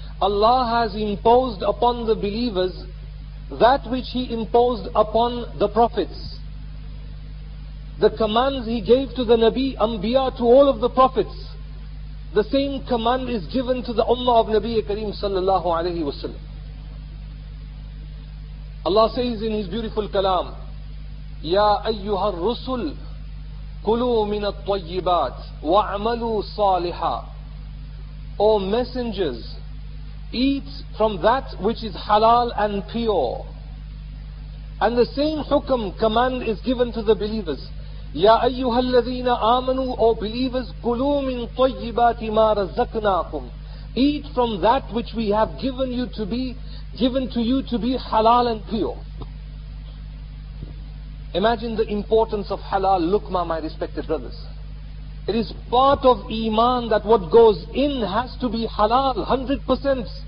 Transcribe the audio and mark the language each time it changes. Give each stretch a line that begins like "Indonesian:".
English: Allah has imposed upon the believers that which He imposed upon the prophets. The commands He gave to the Nabi, Anbiya, to all of the prophets, the same command is given to the Ummah of Nabi Kareem sallallahu alayhi wa sallam. Allah says in His beautiful kalam,
Arabic: يا أيها الرسل كلوا من الطيبات وعملوا صالحا.
English: O messengers, eat from that which is halal and pure. And the same hukam command is given to the believers.
Arabic: يا أيها الذين آمنوا,
English: O believers,
Arabic: كلوا من طيبات ما رزقناكم.
English: Eat from that which we have given to you to be halal and pure. Imagine the importance of halal luqma, my respected brothers. It is part of iman that what goes in has to be halal, 100%.